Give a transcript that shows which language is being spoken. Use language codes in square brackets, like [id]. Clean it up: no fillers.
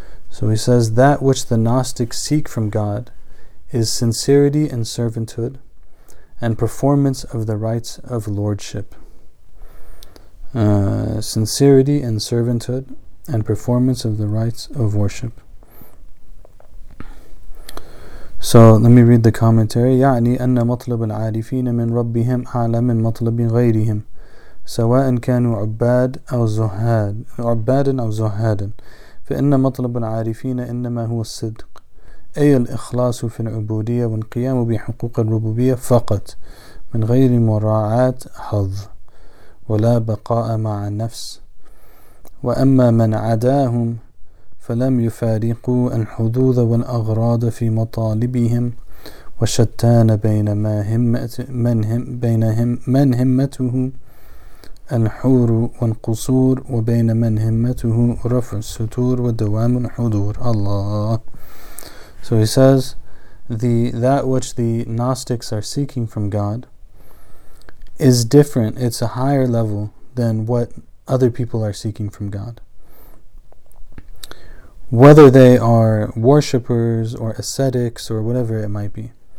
[en] So he says, that which the Gnostics seek from God is sincerity and servanthood and performance of the rights of lordship. Sincerity and servanthood and performance of the rights of worship. So let me read the commentary. [ar] يعني أن مطلب العارفين من ربهم أعلى من مطلب غيرهم سواء كانوا عباد أو زهاد عبادا أو زهادا. فإن مطلب العارفين إنما هو الصدق أي الإخلاص في العبودية والقيام بحقوق الربوبية فقط من غير مراعاة حظ ولا بقاء مع النفس وأما من عداهم فلم يفارقوا الحدود والأغراض في مطالبهم وشتان بين ما من همته الحور والقصور وبين من همته رفع الستور ودوام الحضور. Allah. [en] So he says, that which the Gnostics are seeking from God is different. It's a higher level than what other people are seeking from God. Whether they are worshippers or ascetics or whatever it might be.